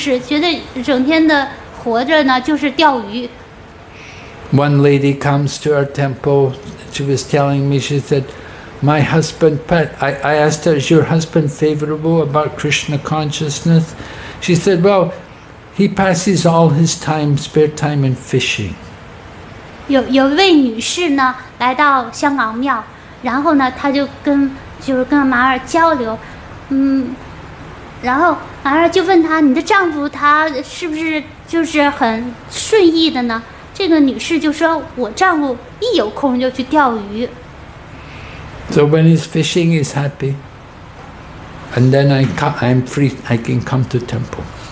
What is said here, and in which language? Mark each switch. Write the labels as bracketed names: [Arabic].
[Chinese] 所以有的人呢，他觉得整天无所事事，觉得整天的活着呢就是钓鱼。 [English] One lady comes to our temple. She was telling me. She said, my husband, I asked her, is your husband favorable about Krishna consciousness? She said, well, he passes all his time, spare time in fishing. [Chinese] 有位女士呢，来到香港庙，然后呢，她就跟马儿交流，然后马儿就问她，你的丈夫他是不是就是很顺意的呢？这个女士就说，我丈夫一有空就去钓鱼。 [English] So when he's fishing, he's happy. And then I'm free, I can come to temple.